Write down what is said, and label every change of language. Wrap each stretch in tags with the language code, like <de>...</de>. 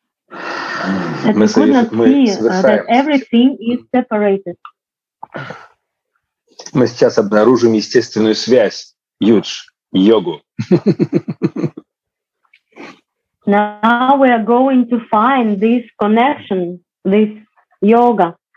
<en>That we could not see that everything is separated.</en> <ru>Мы сейчас обнаружим естественную связь, Юдж, йогу.</ru> <en>Now we are going to find this connection, this yoga.</en>